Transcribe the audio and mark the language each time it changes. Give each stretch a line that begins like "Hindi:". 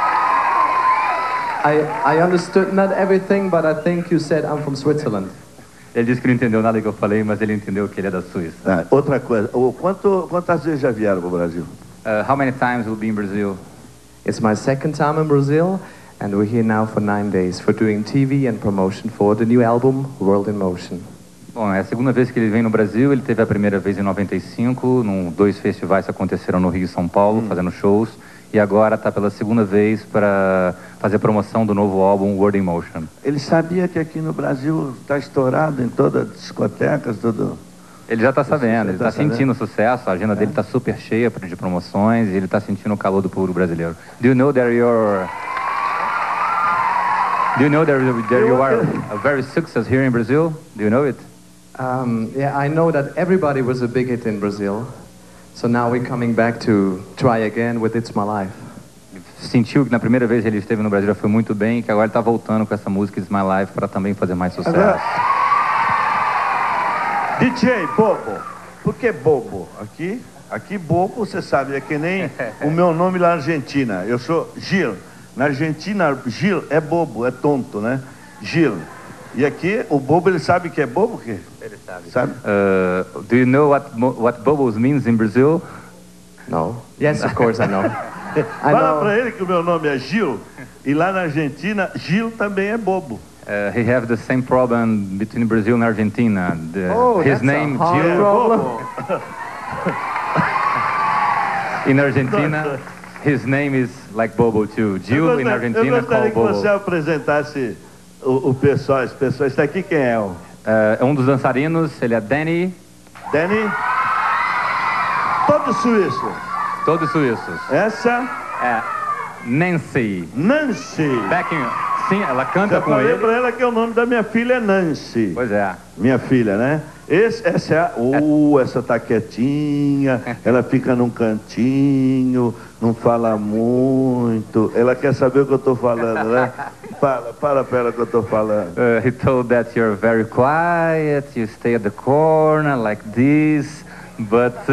English: I understood not everything, but I think you said I'm from Switzerland.
Portuguese: Ele disse que não entendeu nada que eu falei, mas ele entendeu que ele é da Suíça. Outra coisa, quantas vezes já vieram para o Brasil?
English: How many times have you been in Brazil? It's my second time in Brazil, and we're here now for 9 days for doing TV and promotion for the new album, World in Motion.
Portuguese: Bom, é a segunda vez que ele vem no Brasil. Ele teve a primeira vez em 95, num, dois festivais que aconteceram no Rio e São Paulo, fazendo shows. E agora está pela segunda vez para fazer a promoção do novo álbum, Word in Motion. Ele sabia que aqui no Brasil está estourado em todas as discotecas, tudo... Ele já está sabendo, ele está sentindo o sucesso, a agenda dele está super cheia de promoções e ele está sentindo o calor do público brasileiro.
English: Do you know that you're... Do you know that you are a very success here in Brazil? Do you know it? Yeah, I know that everybody was a big hit in Brazil. So now we're coming back to try again with It's My Life.
Portuguese: Sentiu que na primeira vez ele esteve no Brasil foi muito bem e que agora ele está voltando com essa música It's My Life para também fazer mais sucesso. DJ, bobo. Por que bobo? Aqui bobo, você sabe, é que nem o meu nome lá na Argentina. Eu sou Gil. Na Argentina, Gil é bobo, é tonto, né? Gil. E aqui, o bobo, ele sabe que é bobo? Que... Ele sabe. Do you know what bobos means in Brazil? No. Yes, of course, I know. Fala pra ele que o meu nome é Gil. E lá na Argentina, Gil também é bobo.
English: He have the same problem between Brazil and Argentina. The, oh, his name a Gil. Problem. In Argentina, his name is like Bobo too. Gil in Argentina called Bobo.
Portuguese: Eu gostaria que você apresentasse o pessoal. Esse pessoal está aqui, quem é? É um dos dançarinos. Ele é Danny. Danny. Todo suíço. Todo suíço. Essa é Nancy. Nancy.
English: Back in.
Portuguese: Sim, ela canta já com ele. Eu falei pra ela que o nome da minha filha é Nancy. Pois é. Minha filha, né? Essa é a... essa tá quietinha, ela fica num cantinho, não fala muito. Ela quer saber o que eu tô falando, né? Fala pra ela o que eu tô falando.
English: He told that you're very quiet, you stay at the corner like this, but...